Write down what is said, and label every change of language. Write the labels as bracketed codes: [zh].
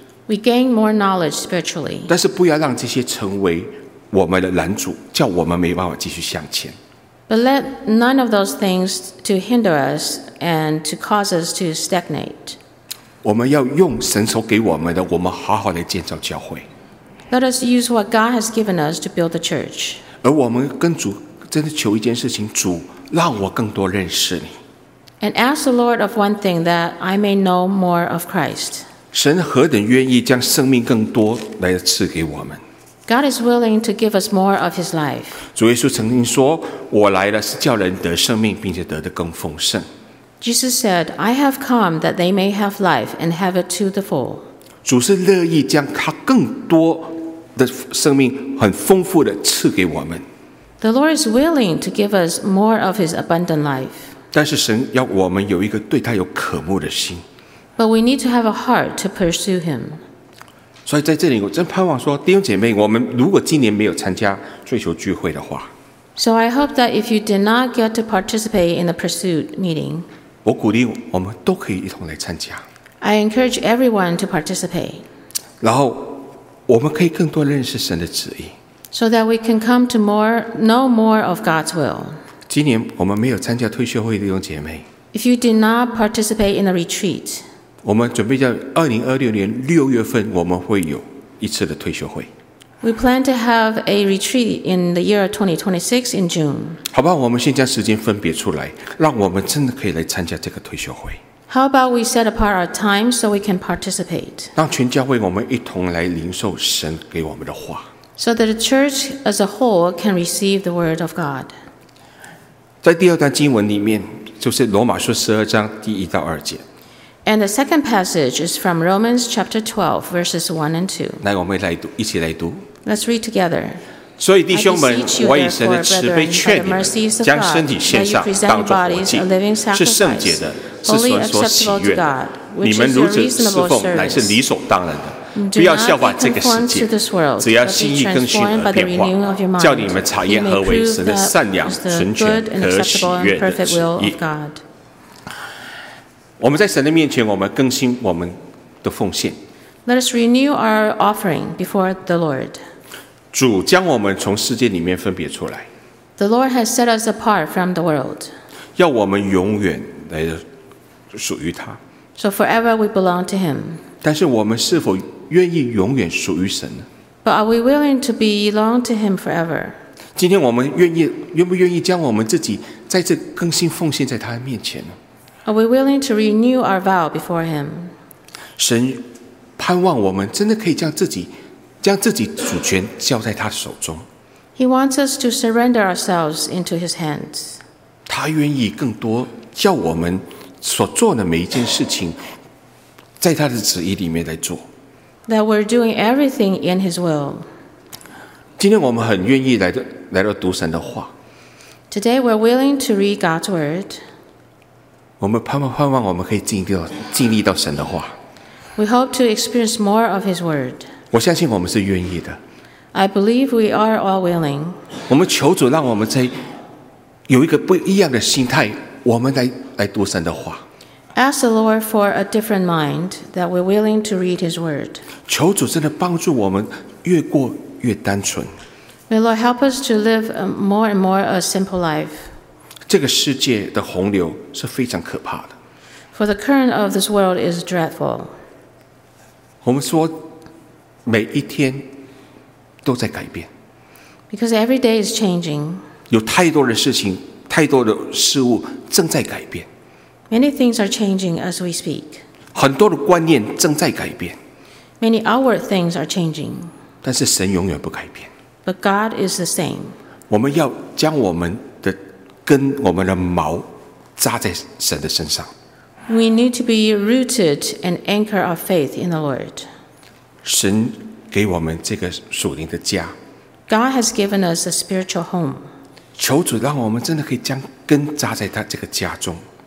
[en] We gain more knowledge spiritually. [zh] 但是不要让这些成为我们的拦阻，叫我们没办法继续向前。 [en] But let none of those things to hinder us and to cause us to stagnate. [zh] 我们要用神所给我们的，我们好好的建造教会。 [en] Let us use what God has given us to build the church. [zh] 而我们跟主真的求一件事情，主让我更多认识你。 [en] And ask the Lord of one thing that I may know more of Christ. [zh] 神何等愿意将生命更多来赐给我们。 [en] God is willing to give us more of His life. [zh] 主耶稣曾经说，我来了是叫人得生命，并且得的更丰盛。 [en] Jesus said, I have come that they may have life and have it to the full. [zh] 主是乐意将他更多的生命很丰富的赐给我们。 [en] The Lord is willing to give us more of His abundant life. [zh] 但是神要我们有一个对他有渴慕的心。 [en] But we need to have a heart to pursue Him. [zh] 所以在这里我真盼望说弟兄姐妹，我们如果今年没有参加追求聚会的话， [en] So I hope that if you did not get to participate in the pursuit meeting, [zh] 我鼓励我们都可以一同来参加。 [en] I encourage everyone to participate. [zh] 然后我们可以更多认识神的旨意， [en] So that we can come to know more of God's will. [zh] 今年我们没有参加退休会的弟兄姐妹， [en] If you did not participate in the retreat, [zh] 我们准备在2026年6月份我们会有一次的退休会。 [en] We plan to have a retreat in the year 2026 in June. [zh] 好吧，我们先将时间分别出来，让我们真的可以来参加这个退休会。 [en] How about we set apart our time so we can participate? [zh] 让全教会我们一同来领受神给我们的话。 [en] So that the church as a whole can receive the word of God. [zh] 在第二段经文里面，就是罗马书十二章第一到二节。 [en] And the second passage is from Romans chapter 12, verses 1 and 2. [zh] 来，我们来读，一起来读。 [en] Let's read together. [zh] 所以弟兄们，我以神的慈悲劝你们，将身体献上，当作活祭，是圣洁的，是神所喜悦的。你们如此侍奉，乃是理所当然的。不要效法这个世界，只要心意更新而变化，叫你们查验何为神的善良、纯全和喜悦的旨意。我们在神的面前，我们更新我们的奉献。 [en] Let us renew our offering before the Lord. [zh] 主将我们从世界里面分别出来。 [en] The Lord has set us apart from the world. [zh] 要我们永远来属于他。 [en] So forever we belong to Him. [zh] 但是我们是否愿意永远属于神呢？ [en] But are we willing to belong to Him forever? [zh] 今天我们愿不愿意将我们自己再次更新奉献在他的面前呢？ [en] Are we willing to renew our vow before Him? [zh] 神盼望我们真的可以将自己主权交在他手中。 [en] He wants us to surrender ourselves into His hands. [zh] 他愿意更多叫我们所做的每一件事情，在他的旨意里面来做。 [en] That we're doing everything in His will. [zh] 今天我们很愿意来到读神的话。 [en] Today we're willing to read God's word. [zh] 我们盼望我们可以经历到神的话。 [en] We hope to experience more of His word. [zh] 我相信我们是愿意的。 [en] I believe we are all willing. [zh] 我们求主让我们在有一个不一样的心态，我们来读神的话。 [en] Ask the Lord for a different mind that we're willing to read His word. [zh] 求主真的帮助我们越过越单纯。 [en] May Lord help us to live more and more a simple life. [zh] 这个世界的洪流是非常可怕的。 [en] For the current of this world is dreadful. [zh] 我们说每一天都在改变。 [en] Because every day is changing. [zh] 有太多的事情，太多的事物正在改变。 [en] Many things are changing as we speak. [zh] 很多的观念正在改变。 [en] Many outward things are changing. [zh] 但是神永远不改变。 [en] But God is the same. [zh] 我们要将我们跟我们的锚扎在神的身上。 [en] We need to be rooted and anchor our faith in the Lord. [zh] 神给我们这个属灵的家。 [en] God has given us a spiritual home. [zh] 求主让我们真的可以将根扎在他这个家中。